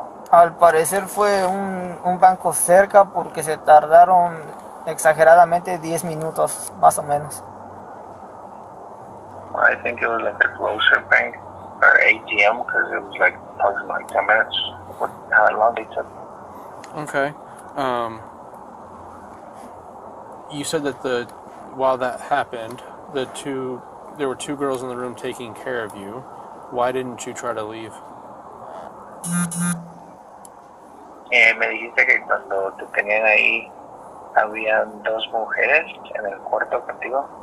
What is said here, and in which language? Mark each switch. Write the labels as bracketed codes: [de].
[es] Al parecer fue un banco cerca porque se tardaron exageradamente 10 minutos, más o menos. [en] I think it was like a closer bank. Or ATM, because it was like approximately 10 minutes, how long they took. Okay. You said that while that happened, there were two girls in the room taking care of you. Why didn't you try to leave? [es] Me dijiste que cuando tú tenías ahí, habían dos mujeres en el cuarto contigo.